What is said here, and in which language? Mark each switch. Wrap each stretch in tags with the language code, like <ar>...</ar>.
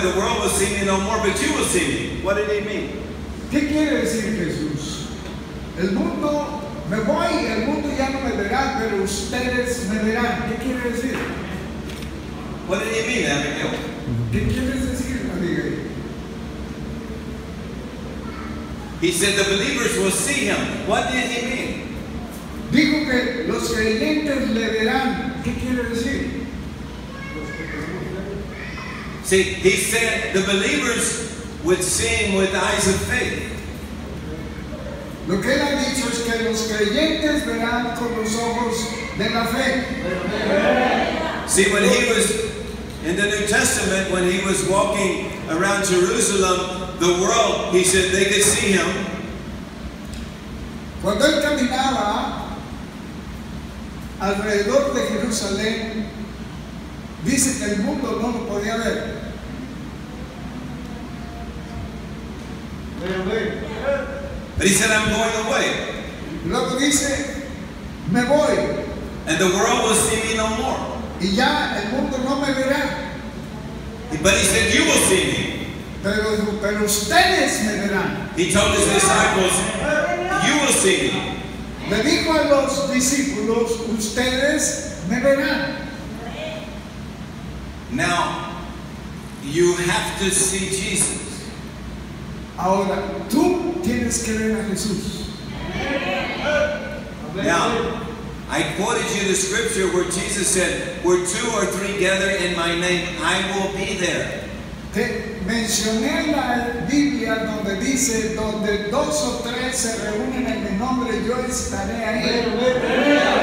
<en>The world will see me no more, but you will see me. What did he mean?</en> <es>¿Qué quiere decir Jesús? El mundo, me voy, el mundo ya no me verá, pero ustedes me verán. ¿Qué quiere decir?</es> <en>What did he mean, Abigail?</en> <es>¿Qué quieres decir, Abigail?</es> <en>He said, the believers will see him. What did he mean?</en> <es>Dijo que los creyentes le verán. ¿Qué quiere decir?</es> <en>See, he said the believers would see him with eyes of faith.</en> <es>Lo que él ha dicho es que los creyentes verán con los ojos de la fe.</es> <en>See, when he was in the New Testament, when he was walking around Jerusalem, the world, he said they could see him.</en> <es>Cuando él caminaba alrededor de Jerusalén, dice que el mundo no lo podía ver.</es> <en>But he said, I'm going away.</en> <es>Luego dice, me voy.</es> <en>And the world will see me no more.</en> <es>Y ya el mundo no me verá.</es> <en>But he said, you will see me.</en> <es>Pero ustedes me verán.</es> <en>He told his disciples, you will see me.</en> <es>Le dijo a los discípulos, ustedes me verán.</es> <en>Now, you have to see Jesus.</en> <es>Ahora, tú tienes que ver a Jesús.</es> <en>Now, I quoted you the scripture where Jesus said, where two or three gather in my name, I will be there.</en> <es>Te mencioné la Biblia donde dice, donde dos o tres se reúnen en mi nombre, yo estaré ahí.</es>